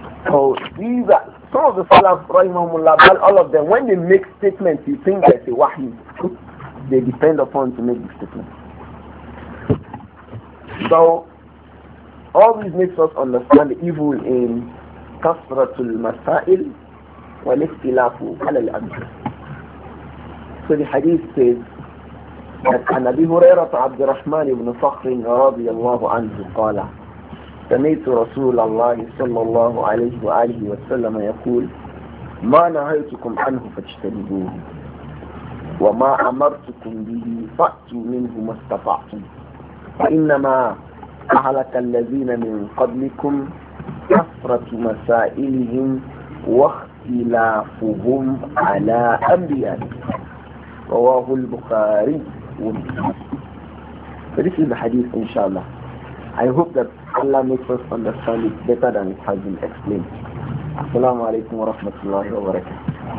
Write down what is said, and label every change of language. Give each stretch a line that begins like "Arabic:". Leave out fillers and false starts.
English: So these are some of the salaf, rahimahumullah, but all of them, when they make statements, you think that they wahi, they depend upon to make the statement. So all this makes us understand the evil in
Arabic: كثرة المسائل والاختلاف على الأمر.
English: So the hadith says that
Arabic: عن أبي هريرة عبد الرحمن بن صخر رضي الله عنه قال سمعت رسول الله صلى الله عليه وآله وسلم يقول ما نهيتكم عنه فاجتنبوه وما أمرتكم به فأتوا منه ما استطعتم فإنما أهلك الذين من قبلكم كثرة مسائلهم واختلافهم على أنبيائهم رواه البخاري ومسلم.
English: So this is the hadith inshallah. I hope that Allah makes us understand it better than it has been explained. Assalamu alaikum wa rahmatullahi wa barakatuh.